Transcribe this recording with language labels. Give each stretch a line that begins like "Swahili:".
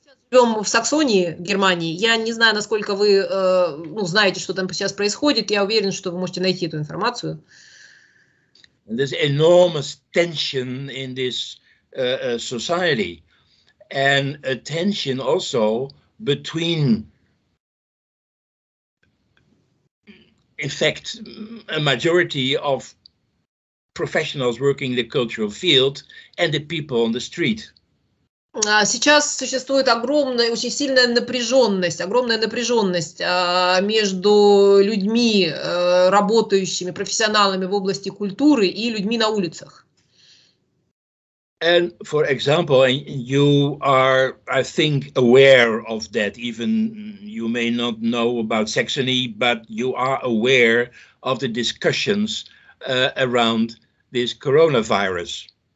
Russian: Живем в Саксонии, Германии. Я не знаю, насколько вы знаете, что там сейчас происходит. Я уверен, что вы можете найти эту информацию.
English: There's enormous tension in this society, and a tension also between, in fact, a majority of professionals working in the cultural field and the people on the street.
Russian: Сейчас существует огромная, очень сильная напряженность, между людьми, работающими, профессионалами в области культуры и людьми на улицах.
English: And for example, you are, I think, aware of that. Even you may not know about Saxony, but you are aware of the discussions around this coronavirus.